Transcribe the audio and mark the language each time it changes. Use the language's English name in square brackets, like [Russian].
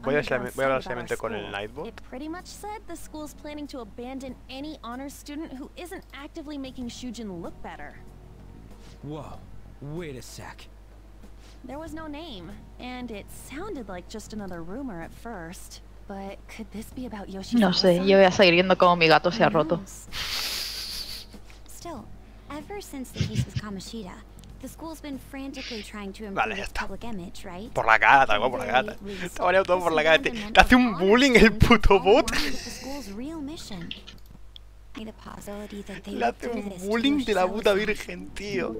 [Spanish] voy a hablar seriamente con el Nightbot. [English] It pretty much said the school's planning to abandon any honor student who isn't actively making Shujin look better. Whoa, wait a sec. There was no name and it sounded like just another rumor at first. But could this be about Yoshi? [Spanish] No sé, yo voy a seguir viendo cómo mi gato se ha roto. [English] Still, ever since the case with Kamoshida, the school's been frantically trying to improve its public image, right? [Spanish] Por la cara, tal cual, por la cara. Está variado todo por la cara. Te hace un bullying el puto bot. Le hace un bullying de la puta virgen, tío.